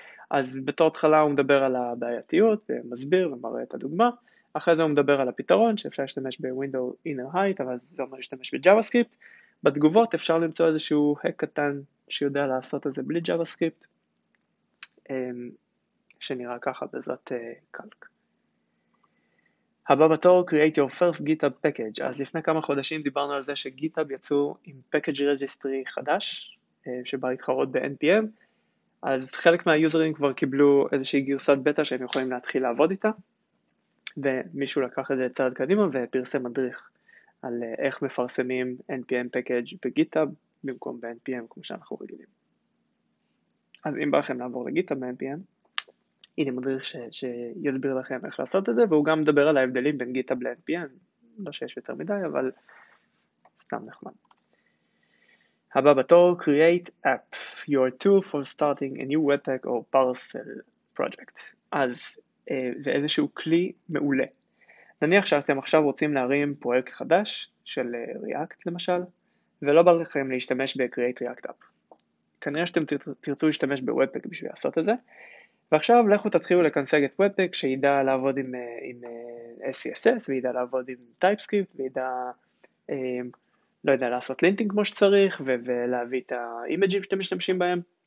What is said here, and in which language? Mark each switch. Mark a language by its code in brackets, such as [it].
[he] אז בתור התחלה הוא מדבר על הבעייתיות, ומסביר ומראה את הדוגמה, אחרי זה הוא מדבר על הפתרון, שאפשר להשתמש ב-Window Inner Height, אבל זה אומר להשתמש ב-JavaScript. בתגובות אפשר למצוא איזשהו hack קטן שיודע לעשות את זה בלי JavaScript, שנראה ככה בעזרת קלק. [en] הבא בתור, Create Your First GitHub Package. [he] אז לפני כמה חודשים דיברנו על זה ש-GitHub יצאו עם Package Registry חדש, שבא להתחרות ב-NPM, אז חלק מהיוזרים כבר קיבלו איזושהי גרסת בטא שהם יכולים להתחיל לעבוד איתה, ומישהו לקח את זה צעד קדימה ופרסם מדריך על איך מפרסמים NPM package בגיטאב במקום ב-NPM כמו שאנחנו רגילים. אז אם בא לכם לעבור לגיטאב ב-NPM, הנה מדריך שיסביר לכם איך לעשות את זה, והוא גם מדבר על ההבדלים בין גיטאב ל-NPM, לא שיש יותר מדי, אבל סתם נחמד. [en] הבא בתור, create app, your tool for starting a new webpack or parcel project. [he] אז ואיזשהו כלי מעולה. נניח שאתם עכשיו רוצים להרים פרויקט חדש של React למשל, ולא בא לכם להשתמש ב-Create React App. כנראה שאתם תרצו להשתמש ב-Webpack בשביל לעשות את זה, ועכשיו לכו תתחילו לקנפג את Webpack שידע לעבוד עם SCSS, וידע לעבוד עם TypeScript, וידע, לא יודע, לעשות לינטינג כמו שצריך, ולהביא את האימג'ים שאתם משתמשים בהם.